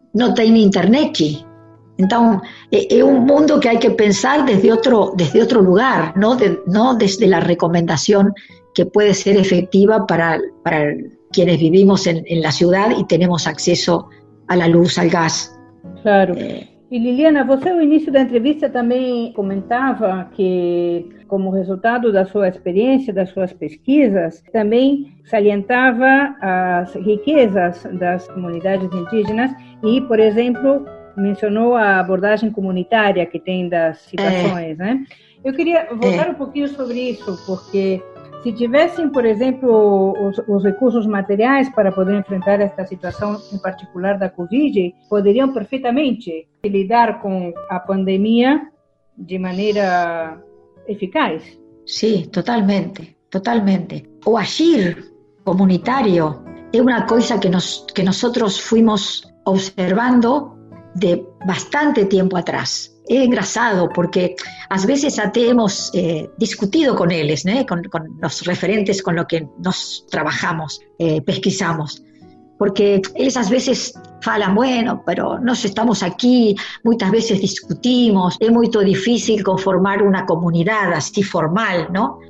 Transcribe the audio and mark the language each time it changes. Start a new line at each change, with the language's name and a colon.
Spanish: No tiene internet aquí. Entonces, es un mundo que hay que pensar desde otro lugar, no desde la recomendación que puede ser efectiva para quienes vivimos en la ciudad y tenemos acceso a la luz, al gas. Claro.
Portuguese: Y Liliana, você ao início da entrevista também comentava que, como resultado da sua experiência, das suas pesquisas, também salientava as riquezas das comunidades indígenas e, por exemplo, mencionou a abordagem comunitária que tem das situações, né? Eu queria voltar um pouquinho sobre isso, porque se tivessem, por exemplo, os recursos materiais para poder enfrentar esta situação em particular da Covid, poderiam perfeitamente lidar com a pandemia de maneira eficaz. Sim, totalmente. O agir comunitário é uma coisa que nós fomos observando de bastante tiempo atrás.
Spanish: Es engraçado porque a veces até hemos discutido con ellos, ¿no? con los referentes con los que nos trabajamos, pesquisamos. Porque ellos a veces falan, bueno, pero nos estamos aquí, muchas veces discutimos, es muy difícil conformar una comunidad así formal, ¿no?